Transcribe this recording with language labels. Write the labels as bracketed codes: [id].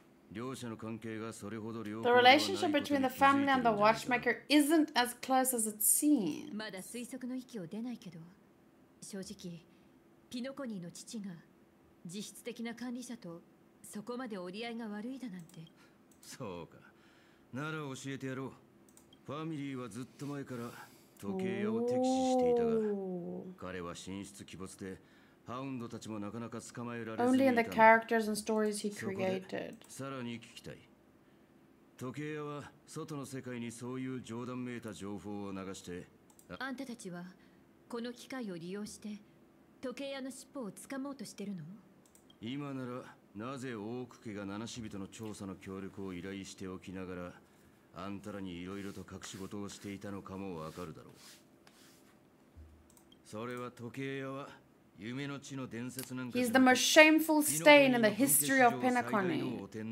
[en] The relationship between the family and the watchmaker isn't as close as it seems. [ja] まだ推測の域を出ないけど、正直、ピノコニーの父が実質的な管理者とそこまで折り合いが悪いだなんて。そうか。なら教えてやろう。ファミリーはずっと前から時計屋を敵視していたが、彼は神出鬼没で。 [en] Only in the characters and stories he created. [ja] さらに聞きたい。時計屋は外の世界にそういう冗談めいた情報を流して。あんたたちはこの機会を利用して時計屋の尻尾をつかもうとしてるの？今ならなぜ大奥家が七使人の調査の協力を依頼しておきながらあんたらにいろいろと隠し事をしていたのかもわかるだろう。それは時計屋は。 [en] He's the most shameful stain in the history of Pinocone.